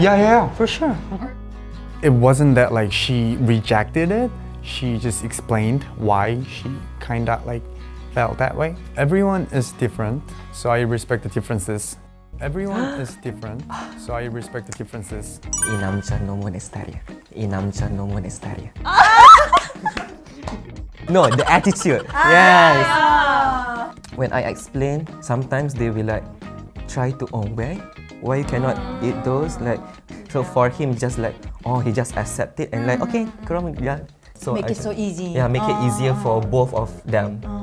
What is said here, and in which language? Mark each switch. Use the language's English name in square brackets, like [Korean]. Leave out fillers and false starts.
[English] Yeah, for sure. It wasn't that like she rejected it. She just explained why she kind of like felt that way. Everyone is different, so I respect the differences. Everyone is different, so I respect the differences. [Korean] 이 남자 너무 내 스타일이야. 이 남자 너무 내 스타일이야. [English] No, the attitude. Yes. When I explain, sometimes they will like try to obey. Why you cannot eat those? Like, so for him, just like he just accept it and like okay, come on, yeah. So make it so easy. Yeah, make it easier for both of them.